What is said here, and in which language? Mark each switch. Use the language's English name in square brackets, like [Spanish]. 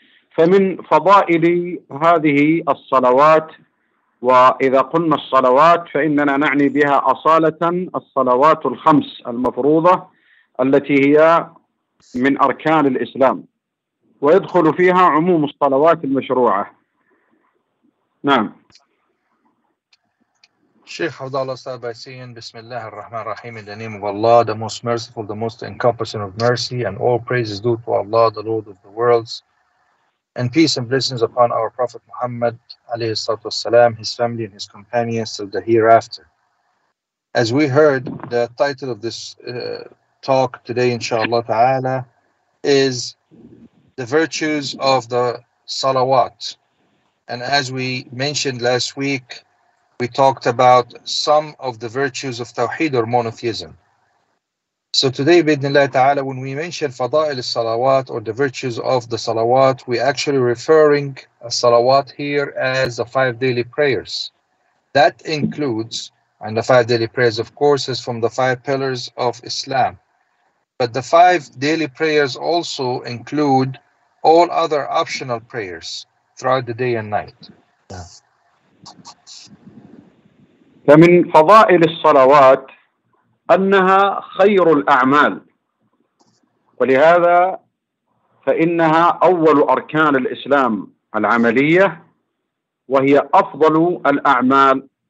[Arabic] فمن فضائل هذه الصلوات، وإذا قلنا الصلوات فإننا نعني بها أصالة الصلوات الخمس المفروضة التي هي من أركان الإسلام، ويدخل فيها عموم الصلوات المشروعة. نعم شيخ، حفظ الله. أستاذ باسين، بسم الله الرحمن الرحيم. [English] In the name of Allah, the most merciful, the most encompassing of mercy, and all praise is due to Allah, the Lord of the worlds. And peace and blessings upon our Prophet Muhammad, alayhi salatu wassalam, his family and his companions till the hereafter. As we heard, the title of this talk today, inshallah ta'ala, is the virtues of the salawat. And as we mentioned last week, we talked about some of the virtues of tawheed or monotheism. So today, bidnillah ta'ala, when we mention fada'il al-salawat or the virtues of the salawat, we're actually referring a salawat here as the five daily prayers. That includes, and the five daily prayers, of course, is from the five pillars of Islam. But the five daily prayers also include all other optional prayers throughout the day and night. [Arabic] فمن فضائل الصلوات أنها خير الأعمال، ولهذا فإنها أول أركان الإسلام العملية، وهي أفضل الأعمال.